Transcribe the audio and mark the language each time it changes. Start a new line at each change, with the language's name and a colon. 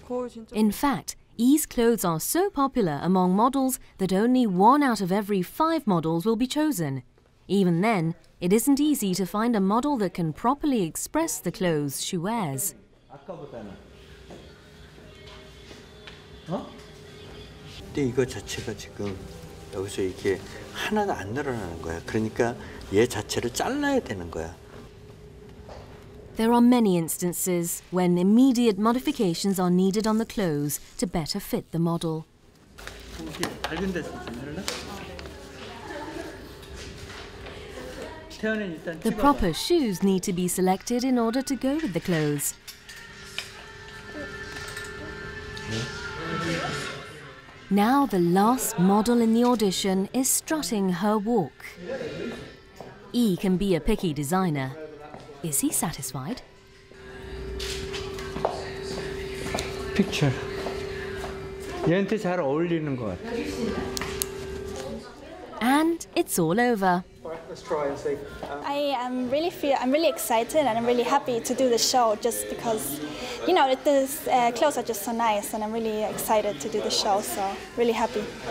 Korean: 진짜...
English: fact, E's clothes are so popular among models that only one out of every five models will be chosen. Even then, it isn't easy to find a model that can properly express the clothes she wears.
Korean: 아까보다는. 어? 근데 이거 자체가 지금 여기서 이렇게 하나도 안 늘어나는 거야. 그러니까 얘 자체를 잘라야 되는 거야.
English: There are many instances when immediate modifications are needed on the clothes to better fit the model.
Korean: 밝은 데서 해볼래?
English: The proper shoes need to be selected in order to go with the clothes.
Korean: 네.
English: Now the last model in the audition is strutting her walk. E can be a picky designer. Is he satisfied? Picture.
Korean: 얘한테 잘 어울리는 것 같아.
English: And it's all over. Let's try and see. I'm really excited and I'm really happy to do the show just because, you know, the clothes are just so nice and I'm really excited to do the show, so really happy.